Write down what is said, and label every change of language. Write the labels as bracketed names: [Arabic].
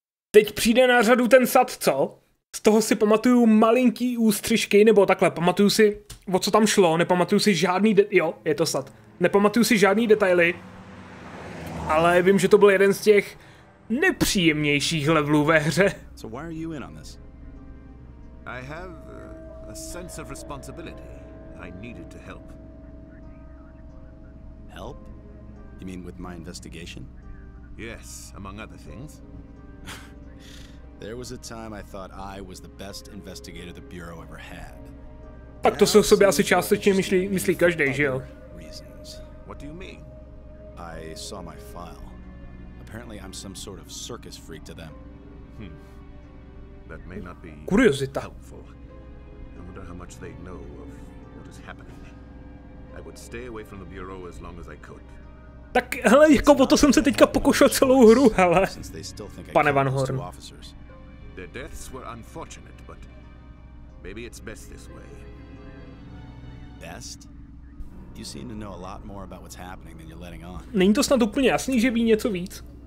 [Czech] Teď přijde na řadu ten sad, co? Z toho si pamatuju malinký ústřižky, nebo takhle, pamatuju si, o co tam šlo, nepamatuju si žádný jo, je to sad. Nepamatuju si žádný detaily. Ale vím, že to byl jeden z těch nepříjemnějších levelů ve hře. [English] So why are you in on this? I have a sense of responsibility. I needed to help. Help? You mean with my investigation? Yes, among other things. There was a time I thought I was the best investigator the bureau ever had. [Czech] Tak to se o sobě asi částečně myslí každý, že jo? [English] What do you mean? I saw my file. Apparently I'm some sort of circus freak to them. That may not be helpful. I wonder how much they know of what is happening. I would stay away from the bureau as long as I could. [Czech] Tak hele, jako o to jsem se teďka pokoušel celou hru, hele. Pane Van Horn. [English] Their deaths were unfortunate, but maybe it's best this way. Best? You seem to know a lot more about what's happening than you're letting on. [Czech] Není to snad úplně jasný, že ví něco víc?